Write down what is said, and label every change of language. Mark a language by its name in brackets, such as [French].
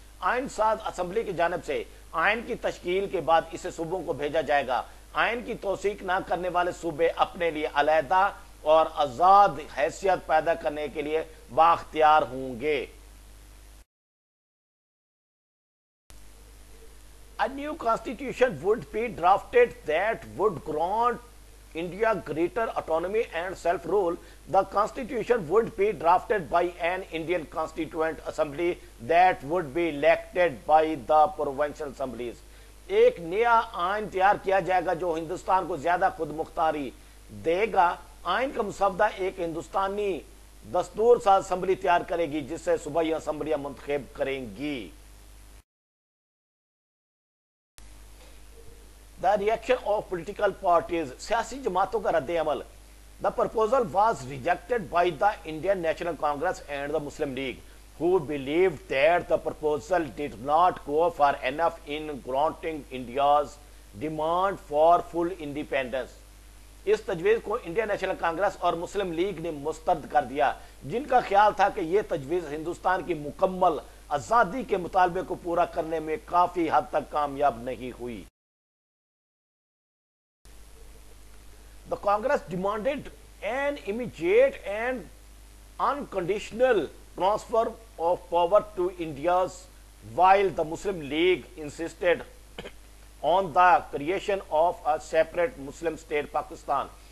[Urdu] آئین ساز اسمبلی کی جانب سے آئین کی تشکیل کے بعد اسے صوبوں کو بھیجا جائے گا. آئین کی توثیق نہ کرنے والے صوبے اپنے لیے علیحدہ اور آزاد حیثیت پیدا کرنے کے لیے بااختیار ہوں گے. [English] A new constitution would be drafted that would grant India greater autonomy and self-rule. The constitution would be drafted by an Indian constituent assembly that would be elected by the provincial assemblies. [Urdu] ایک نیا آئین تیار کیا جائے گا جو ہندوستان کو زیادہ خود مختاری دے گا. آئین کا مسودہ ایک ہندوستانی دستور ساز اسمبلی تیار کرے گی جسے صوبائی اسمبلیاں منتخب کریں گی. [English] The reaction of political parties, [Urdu] سیاسی جماعتوں کا رد عمل. [English] The proposal was rejected by the Indian National Congress and the Muslim League, who believed that the proposal did not go far enough in granting India's demand for full independence. [Urdu] اس تجویز کو Indian national Congress اور مسلم league نے مسترد کر دیا، جن کا خیال تھا کہ یہ تجویز ہندوستان کی مکمل آزادی کے مطالبے کو پورا کرنے میں کافی حد تک کامیاب نہیں ہوئی. [English] The Congress demanded an immediate and unconditional transfer of power to India, while the Muslim League insisted on the creation of a separate Muslim state, Pakistan.